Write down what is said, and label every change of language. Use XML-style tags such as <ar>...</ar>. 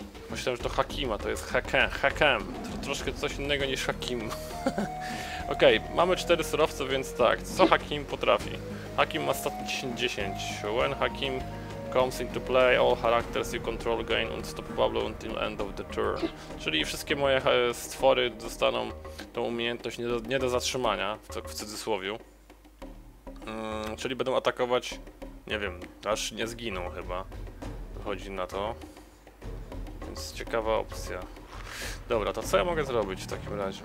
<pl>Myślałem, że to Hakima, to jest Hakem. To troszkę coś innego niż Hakim. Okej, okay, mamy 4 surowce, więc tak. Co Hakim potrafi? Hakim ma stat 10.</pl> <en>When Hakim comes into play, all characters you control gain unstoppable until end of the turn.</en> <pl>Czyli wszystkie moje stwory dostaną tą umiejętność nie do zatrzymania, w cudzysłowie. Czyli będą atakować, nie wiem, aż nie zginą chyba. Wychodzi na to. Więc ciekawa opcja. Dobra, to co ja mogę zrobić w takim razie?</pl>